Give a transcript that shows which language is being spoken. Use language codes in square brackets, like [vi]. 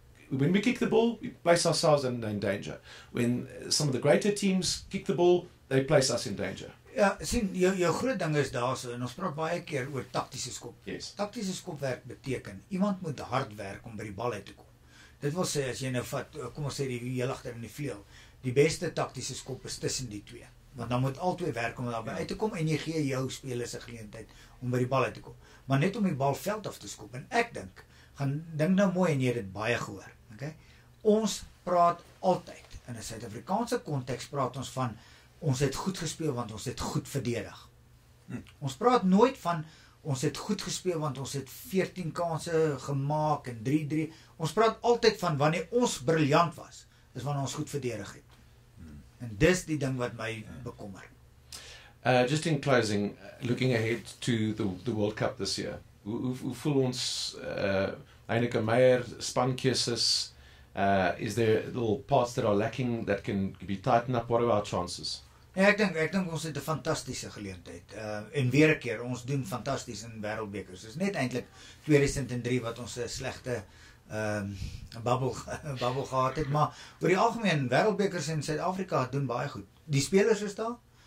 [en] When we kick the ball, we place ourselves in danger. When some of the greater teams kick the ball, they place us in danger. [af] Ja, sien, jou groot ding is daar so, en ons praat baie keer oor taktiese skop. [en] Yes. [af] Taktiese skopwerk beteken, iemand moet hard werk om by die bal uit te kom. Dit wil sê, as jy nou vat, kom ons sê die heel agter in die vleel, die beste taktiese skop is tussen die twee. Want dan moet al twee werk om daar by uit te kom, en jy gee jou spelers 'n geleentheid om by die bal uit te kom. Maar net om die bal veld af te skop, en ek dink nou mooi en jy het dit baie gehoor. Okay? Ons praat altyd, in 'n Suid-Afrikaanse konteks praat ons van, ons het goed gespeel, want ons het goed verdedig. Ons praat nooit van, ons het goed gespeel, want ons het 14 kansen gemaak, en 3-3. Ons praat altyd van, wanneer ons briljant was, is wanneer ons goed verdedig het. En dis die ding wat my bekommer. [en] Just in closing, looking ahead to the World Cup this year, [af] hoe voel ons, [en] Eineke Meyer, spankeuses, is there little parts that are lacking that can be tightened up? What are our chances? [af] Ja, ek dink ons het 'n fantastiese geleentheid. En weer 'n keer, ons doen fantasties in wêreldbekers. Dit is net eintlik 2003 wat ons 'n slegte bubble gehad het. Maar oor die algemeen, wêreldbekers in Suid-Afrika doen baie goed. Die spelers is daar.